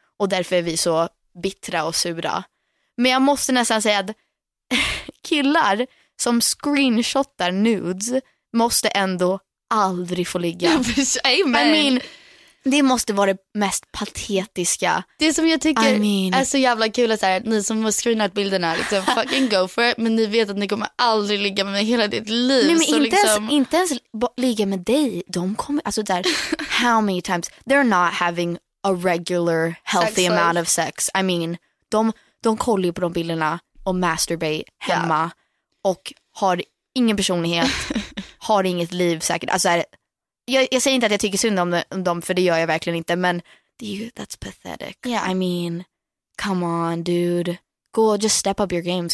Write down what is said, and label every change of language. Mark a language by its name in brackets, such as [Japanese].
[Swedish] Och därför är vi så bittra och sura. Men jag måste nästan säga att killar som screenshotar nudes måste ändå aldrig få ligga. Amen. [English] I mean, [Swedish] det måste vara det mest patetiska. Det som jag tycker är så jävla kul är så här, att ni som har screenat bilderna liksom, [English] fucking go for it, [Swedish] men ni vet att ni kommer aldrig ligga med mig hela ditt liv. Nej, men så inte ens ligga med dig. De kommer, alltså där, [English] how many times? They're not having a regular healthy sex amount of sex. I mean, [Swedish] de kollar ju på de bilderna och masturbate hemma och har ingen personlighet, har inget liv säkert. Alltså där, Jag säger inte att jag tycker synd om dem, för det gör jag verkligen inte, men [English] that's pathetic. Yeah. I mean, come on, dude. Go, just step up your games.